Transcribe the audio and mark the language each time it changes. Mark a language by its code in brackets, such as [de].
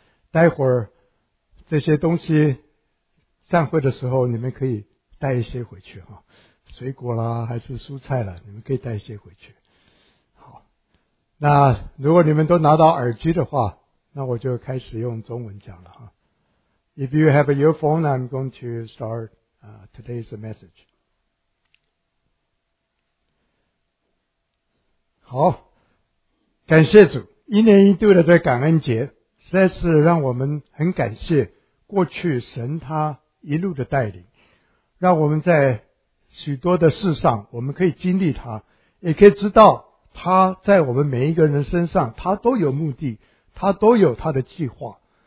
[zh] 待会儿这些东西散会的时候，你们可以带一些回去哈，水果啦还是蔬菜啦，你们可以带一些回去。好，那如果你们都拿到耳机的话，那我就开始用中文讲了哈。 [en] If you have a earphone, I'm going to start today's message. [zh] 好，感谢主，一年一度的这感恩节，实在是让我们很感谢过去神他一路的带领，让我们在许多的事上，我们可以经历他，也可以知道他在我们每一个人身上，他都有目的，他都有他的计划。